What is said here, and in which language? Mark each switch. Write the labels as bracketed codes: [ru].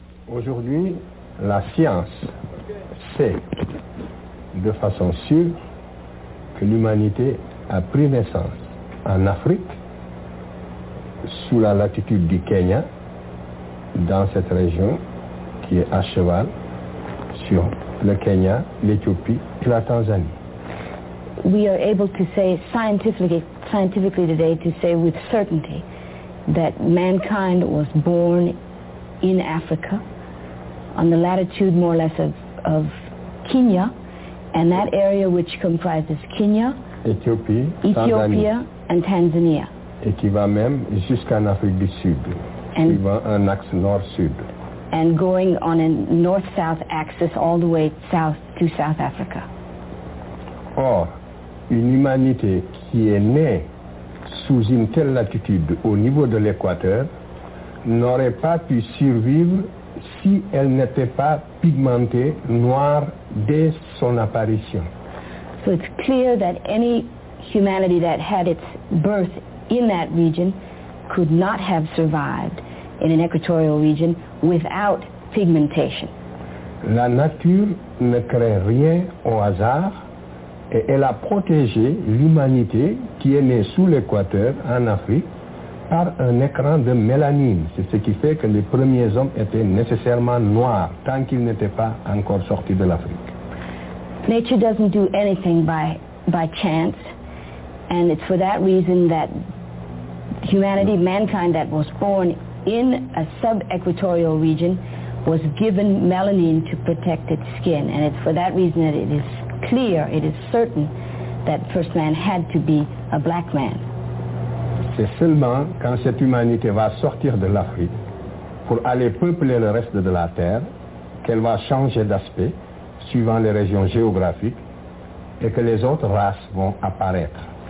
[fr] Aujourd'hui, la science sait de façon sûre que l'humanité a pris naissance en Afrique, sous la latitude du Kenya, dans cette région qui est à cheval sur le Kenya, l'Éthiopie et la Tanzanie. [en] We are able to say scientifically today to say with certainty that mankind was born in Africa on the latitude more or less of Kenya, and that area which comprises Kenya, Ethiopia, and Tanzania. [fr] Et qui va même jusqu'en Afrique du Sud, [en] and [fr] suivant un axe nord-sud. [en] And going on a north-south axis all the way south to South Africa. [fr] Or, une humanité qui est née sous une telle latitude au niveau de l'équateur n'aurait pas pu survivre si elle n'était pas pigmentée noire dès son apparition. [en] So it's clear that any humanity that had its birth in that region could not have survived in an equatorial region without pigmentation. [fr] La nature ne crée rien au hasard et elle a protégé l'humanité qui est née sous l'équateur en Afrique par un écran de mélanine. C'est ce qui fait que les premiers hommes étaient nécessairement noirs tant qu'ils n'étaient pas encore sortis de l'Afrique. [en] Nature doesn't do anything by chance, and it's for that reason that humanity, mankind that was born in a sub-equatorial region was given melanin to protect its skin, and it's for that reason that it is clear, it is certain that first man had to be a black man. [fr] C'est seulement quand cette humanité va sortir de l'Afrique pour aller peupler le reste de la Terre qu'elle va changer d'aspect suivant les régions géographiques et que les autres races vont apparaître.